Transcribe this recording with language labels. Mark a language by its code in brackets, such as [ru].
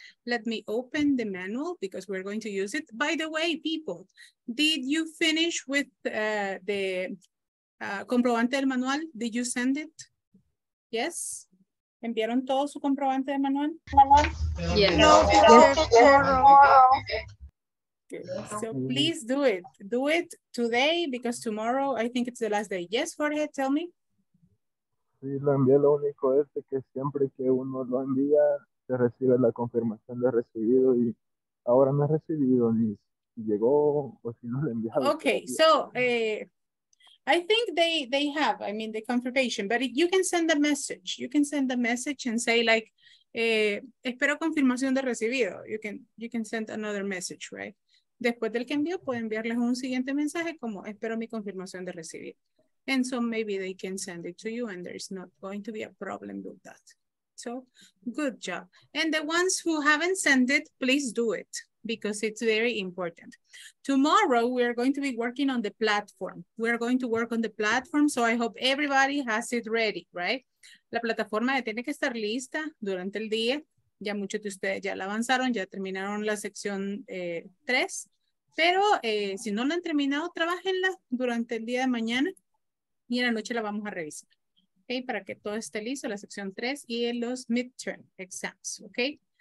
[en] Let me open the manual because we're going to use it. By the way, people, did you finish with the [es] comprobante del manual? [en] Did you send it? Yes? [es] ¿Enviaron todo su comprobante del manual? [en] Yes. No, yes. Tomorrow. Good. So please do it. Do it today because tomorrow I think it's the last day. Yes, Jorge, tell me. [es] Sí, lo envié, lo único es que siempre que uno lo envía, se recibe la confirmación de recibido y ahora no he recibido ni si llegó o si no lo enviaron. [en] Okay, so I think they have, I mean, the confirmation, but you can send a message. You can send a message and say like, [es] espero confirmación de recibido. [en] You can send another message, right? [es] Después del que envió, puede enviarles un siguiente mensaje como espero mi confirmación de recibido. [en] And so maybe they can send it to you and there's not going to be a problem with that. So good job. And the ones who haven't sent it, please do it because it's very important. Tomorrow, we are going to be working on the platform. We're going to work on the platform. So I hope everybody has it ready, right? [es] La plataforma tiene que estar lista durante el día. Ya muchos de ustedes ya la avanzaron, ya terminaron la sección 3. Pero si no la han terminado, trabajenla durante el día de mañana. Y en la noche la vamos a revisar, ¿ok? Para que todo esté listo, la sección 3 y los midterm exams, ¿ok?